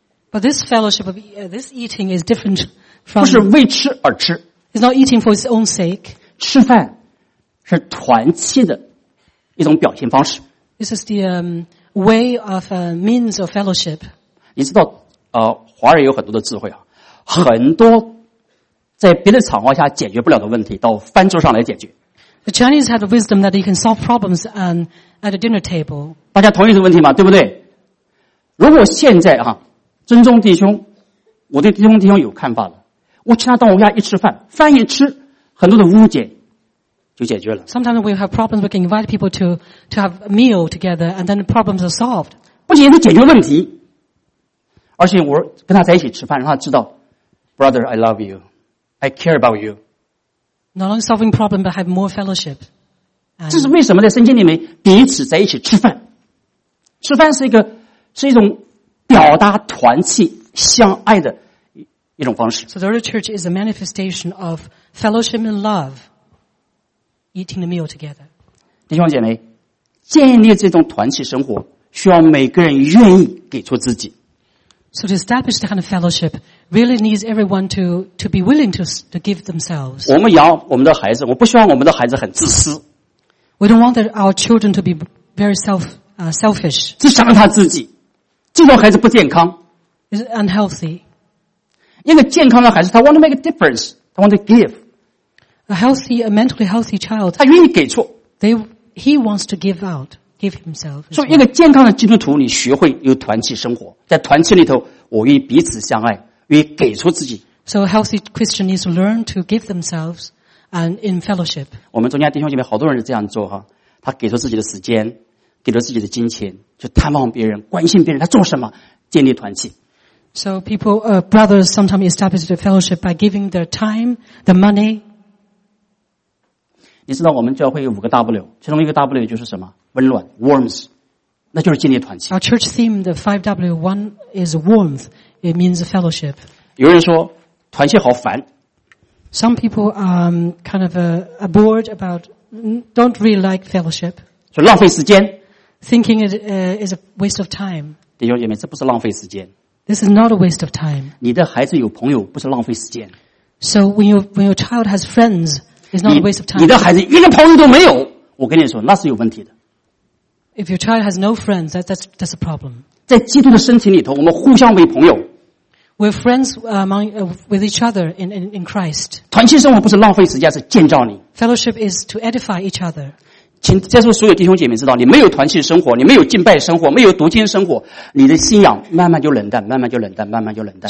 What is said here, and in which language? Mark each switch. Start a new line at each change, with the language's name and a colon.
English: But this fellowship of this eating is different from.
Chinese: 不是为吃而吃。
English: It's not eating for its own sake.
Chinese: 吃饭是团契的一种表现方式。
English: This is the way of means of fellowship.
Chinese: 你知道，华人有很多的智慧啊，很多。在别的场合下解决不了的问题，到饭桌上来解决。
English: The Chinese have a wisdom that you can solve problems at a dinner table.
Chinese: 大家同意这个问题吗？对不对？如果现在啊，尊重弟兄，我对弟兄有看法了，我去他到我家一吃饭，饭一吃，很多的误解就解决了。
English: Sometimes we have problems, we can invite people to have a meal together, and then the problems are solved.
Chinese: 不仅是解决问题，而且我跟他在一起吃饭，让他知道 ，
English: Brother, I love you, I care about you. Not only solving problems, but have more fellowship.
Chinese: 这是为什么在圣经里面彼此在一起吃饭？吃饭是一种表达团契相爱的一种方式。
English: So the early church is a manifestation of fellowship and love, eating the meal together.
Chinese: 弟兄姐妹，建立这种团契生活，需要每个人愿意给出自己。
English: So to establish that kind of fellowship. Really needs everyone to be willing to give themselves.
Chinese: 我们养我们的孩子，我不希望我们的孩子很自私。
English: We don't want our children to be very selfish.
Chinese: 只想他自己，这种孩子不健康。
English: Is unhealthy.
Chinese: 一个健康的孩子，他
English: want to make a difference.
Chinese: 他
English: want to give. A mentally healthy child.
Chinese: 他愿意给出。
English: He wants to give out, give himself.
Chinese: 所以，一个健康的基督徒，你学会有团契生活，在团契里头，我愿意彼此相爱。愿意给出自己。
English: So a healthy Christian needs to learn to give themselves and in fellowship.
Chinese: 我们中间弟兄姐妹好多人是这样做哈，他给出自己的时间，给出自己的金钱，去探望别人，关心别人，他做什么？建立团契。
English: So people, brothers sometimes establish the fellowship by giving their time, the money.
Chinese: 你知道我们教会有五个 W， 其中一个 W 就是什么？温暖 ，warmth， 那就是建立团契。
English: Our church theme, the 5W, one is warmth. It means fellowship.
Chinese: 有人说团契好烦。
English: Some people kind of a bored about, don't really like fellowship.
Chinese: 说浪费时间。
English: Thinking it is a waste of time.
Chinese: 弟兄姐妹，这不是浪费时间。
English: This is not a waste of time.
Chinese: 你的孩子有朋友不是浪费时间。
English: So when your child has friends, it's not a waste of time.
Chinese: 你的孩子一个朋友都没有，我跟你说那是有问题的。
English: If your child has no friends, that's a problem.
Chinese: 在基督的身体里头，我们互相为朋友。
English: We're friends among with each other in Christ.
Chinese: 团契生活不是浪费时间，是建造你。
English: Fellowship is to edify each other.
Chinese: 请在座所有弟兄姐妹知道，你没有团契生活，你没有敬拜生活，没有读经生活，你的信仰慢慢就冷淡，慢慢就冷淡，慢慢就冷淡。